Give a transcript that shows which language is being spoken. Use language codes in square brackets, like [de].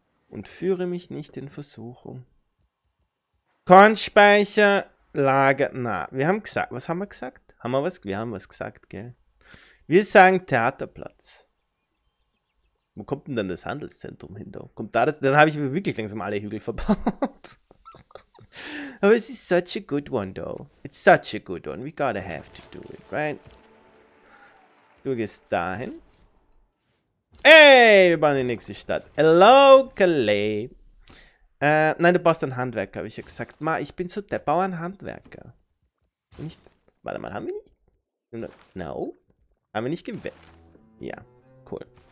[de] Und führe mich nicht in Versuchung. Kornspeicher, Lager, na, wir haben gesagt, was haben wir gesagt? Wir haben was gesagt, gell? Wir sagen Theaterplatz. Wo kommt denn dann das Handelszentrum hin? Kommt da das? Dann habe ich mir wirklich langsam alle Hügel verbaut. Aber es ist [en] such a good one, though. It's such a good one. We gotta have to do it, right? [de] Du gehst dahin. Ey, wir bauen die nächste Stadt. Hello, Calais. Nein, du baust einen Handwerker, habe ich ja gesagt. Ma, ich bin so der Bauernhandwerker. Nicht. Warte mal, haben wir nicht? No. Haben wir nicht gewählt? Ja, cool.